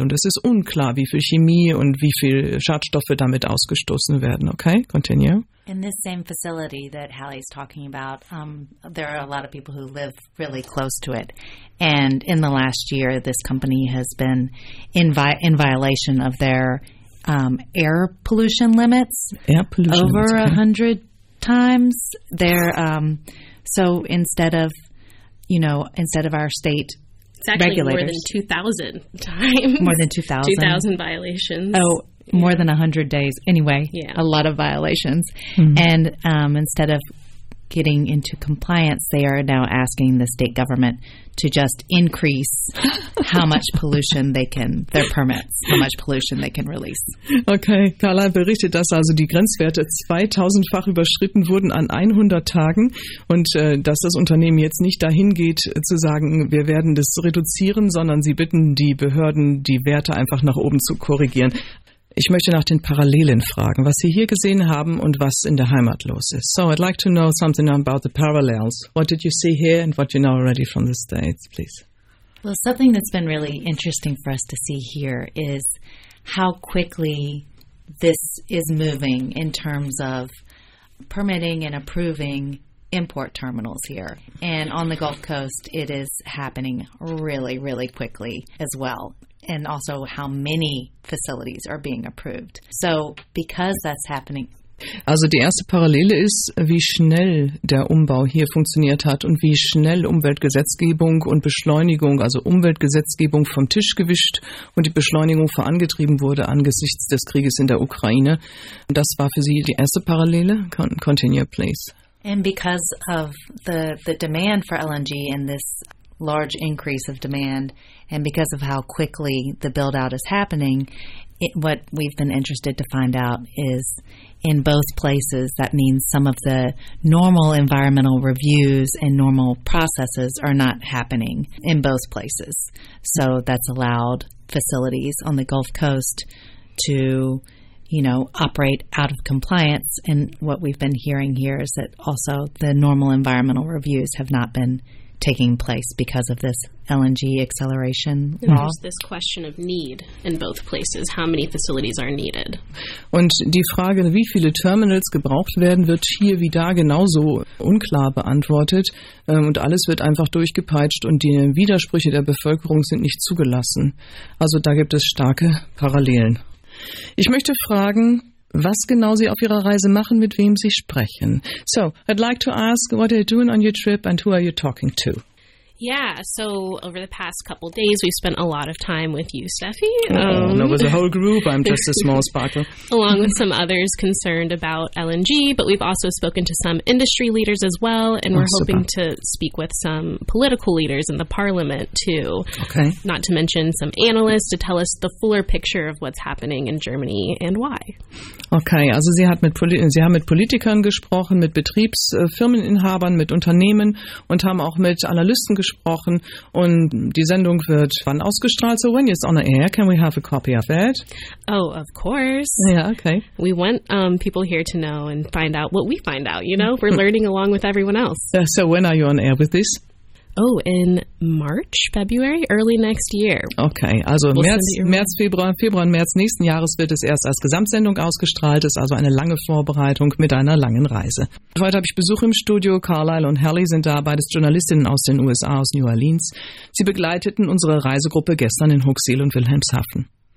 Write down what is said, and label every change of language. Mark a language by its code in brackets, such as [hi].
[de] Und es ist unklar, wie viel Chemie und wie viel Schadstoffe damit ausgestoßen werden. [en] Okay, continue. In this same facility that Hallie's talking about, there are a lot of people who live really close to it. And in the last year, this company has been in violation of their air pollution limits. Air pollution over limits, okay. 100 times. They're, so instead of, you know, instead of our state, it's actually regulators, more than 2,000 times. More than 2,000. 2,000 violations. Oh, yeah. More than 100 days. Anyway, yeah, a lot of violations. Mm-hmm. And instead of getting into compliance, they are now asking the state government to just increase how much pollution they can, their permits, how much pollution they can release. [de] Okay, Carla berichtet, dass also die Grenzwerte 2000-fach überschritten wurden an 100 Tagen und dass das Unternehmen jetzt nicht dahin geht zu sagen, wir werden das reduzieren, sondern sie bitten die Behörden, die Werte einfach nach oben zu korrigieren. Ich möchte nach den Parallelen fragen, was Sie hier gesehen haben und was in der Heimat los ist. [en] So, I'd like to know something about the parallels. What did you see here and what you know already from the States, please? Well, something that's been really interesting for us to see here is how quickly this is moving in terms of permitting and approving import terminals here. And on the Gulf Coast, it is happening really, really quickly as well. And also how many facilities are being approved. So because that's happening. [de] Also die erste Parallele ist, wie schnell der Umbau hier funktioniert hat und wie schnell Umweltgesetzgebung und Beschleunigung, also Umweltgesetzgebung vom Tisch gewischt und die Beschleunigung vorangetrieben wurde angesichts des Krieges in der Ukraine. Das war für Sie die erste Parallele. [en] Continue, please. And because of the demand for LNG in this large increase of demand, and because of how quickly the build-out is happening, what we've been interested to find out is in both places, that means some of the normal environmental reviews and normal processes are not happening in both places. So that's allowed facilities on the Gulf Coast to you know, operate out of compliance. And what we've been hearing here is that also the normal environmental reviews have not been taking place because of this LNG acceleration law. There's this question of need in both places. How many facilities are needed? [de] Und die Frage, wie viele Terminals gebraucht werden, wird hier wie da genauso unklar beantwortet. Und alles wird einfach durchgepeitscht und die Widersprüche der Bevölkerung sind nicht zugelassen. Also da gibt es starke Parallelen. Ich möchte fragen, was genau Sie auf Ihrer Reise machen, mit wem Sie sprechen. [en] So, I'd like to ask, what are you doing on your trip and who are you talking to? Yeah, so over the past couple of days, we've spent a lot of time with you, Steffi. No, with the whole group, I'm just a small sparkle. Along with some others concerned about LNG, but we've also spoken to some industry leaders as well, and we're hoping to speak with some political leaders in the parliament, too. Okay. Not to mention some analysts to tell us the fuller picture of what's happening in Germany and why. [de] Okay, also Sie haben mit Politikern gesprochen, mit Betriebsfirmeninhabern, mit Unternehmen und haben auch mit Analysten gesprochen und die Sendung wird wann ausgestrahlt? [en] So when it's on the air, can we have a copy of it? Oh, of course. Yeah, okay. We want people here to know and find out what we find out, you know? We're learning along with everyone else. So when are you on air with this? Oh, in March, February, early next year. [de] Okay, also we'll März, Februar, März nächsten Jahres wird es erst als Gesamtsendung ausgestrahlt. Es ist also eine lange Vorbereitung mit einer langen Reise. Heute habe ich Besuch im Studio. Carlisle und Halley sind da, beides Journalistinnen aus den USA, aus New Orleans. Sie begleiteten unsere Reisegruppe gestern in Hooksiel und Wilhelmshaven.